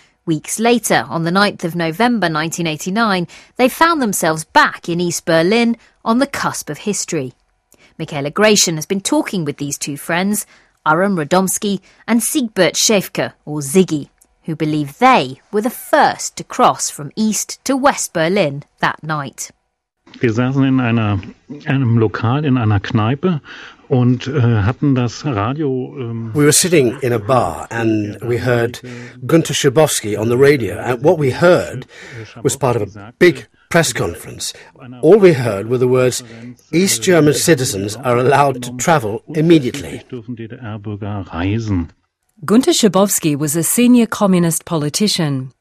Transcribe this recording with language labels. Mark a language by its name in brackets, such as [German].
[English] Weeks later, on the 9th of November 1989, they found themselves back in East Berlin on the cusp of history. Michaela Gratian has been talking with these two friends, Aram Radomski and Siegbert Schäfke, or Ziggy, who believe they were the first to cross from East to West Berlin that night. [German] Wir saßen in einem Lokal, in einer Kneipe, und hatten das Radio. [English] We were sitting in a bar and we heard Günter Schabowski on the radio. And what we heard was part of a big press conference. All we heard were the words, East German citizens are allowed to travel immediately. Günter Schabowski was a senior communist politician.